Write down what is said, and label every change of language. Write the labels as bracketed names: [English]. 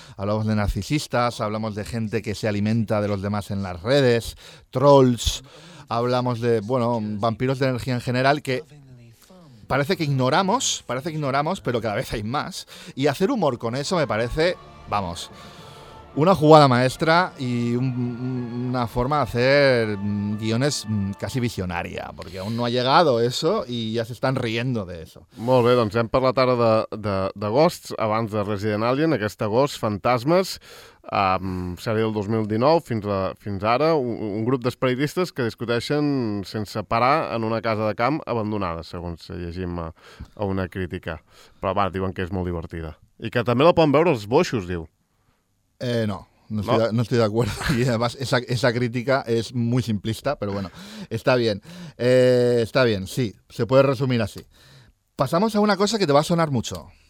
[Spanish] Hablamos de narcisistas, hablamos de gente que se alimenta de los demás en las redes, trolls, hablamos de, bueno, vampiros de energía en general que parece que ignoramos, pero cada vez hay más. Y hacer humor con eso me parece, vamos, una jugada maestra y una forma de hacer guiones casi visionaria, porque aún no ha llegado eso y ya se están riendo de eso. [Catalan] Molt bé, doncs hem parlat ara de Ghosts, abans de Resident Alien, aquesta Ghost, Fantasmes, sèrie del 2019 fins ara, un grup d'esperitistes que discuteixen sense parar en una casa de camp abandonada, segons llegim a una crítica. Però va, diuen que és molt divertida. I que també la poden veure els boixos, diu. [Spanish] No estoy de acuerdo. Y además esa crítica es muy simplista, pero bueno, está bien. Está bien, sí, se puede resumir así. Pasamos a una cosa que te va a sonar mucho.